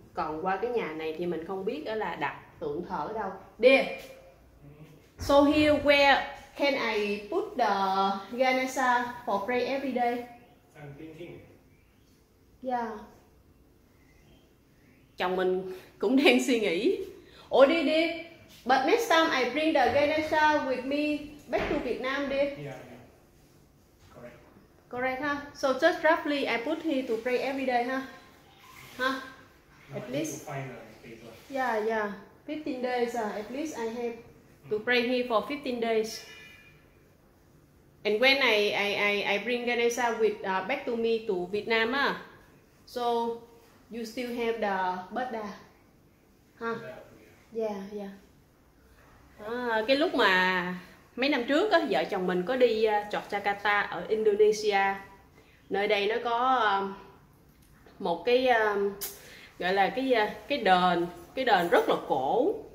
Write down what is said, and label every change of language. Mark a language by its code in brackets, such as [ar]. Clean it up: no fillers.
[vi] Còn qua cái nhà này thì mình không biết là đặt tượng thờ ở đâu. [en] Dear, so here where can I put the Ganesha for pray every day? I'm thinking. Yeah. [vi] Chồng mình cũng đang suy nghĩ. Oh, đi đi. [en] But next time I bring the Ganesha with me back to Vietnam, đi. Yeah, correct. Correct, huh? So just roughly I put here to pray every day, huh? Huh? At least. Yeah, yeah. 15 days. At least I have to pray here for 15 days. And when I bring Ganesha with back to me to Vietnam, so you still have the Buddha, huh? Yeah, yeah. [vi] Cái lúc mà mấy năm trước á, vợ chồng mình có đi Yogyakarta ở Indonesia. Nơi đây nó có một cái gọi là cái đền rất là cổ.